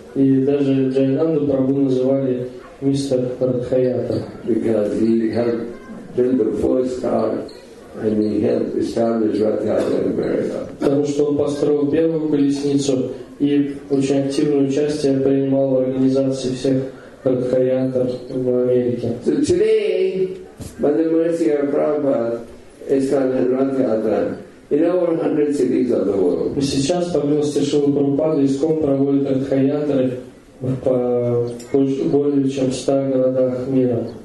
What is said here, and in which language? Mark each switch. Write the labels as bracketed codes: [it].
[ru] И даже Джайнанду Прабху называли мистер Радхаятра. [en] Because he helped build the first car and he helped establish Radhayatra in America. [ru] Потому что он построил первую колесницу и очень активное участие принимал в организации всех Радхаятр в Америке. [en] So today, by the mercy of Prabhupada, [ru] сейчас, по милости Шрилы Прабхупады, ИСККОН проводит Радхаятры в более чем 100 городах мира.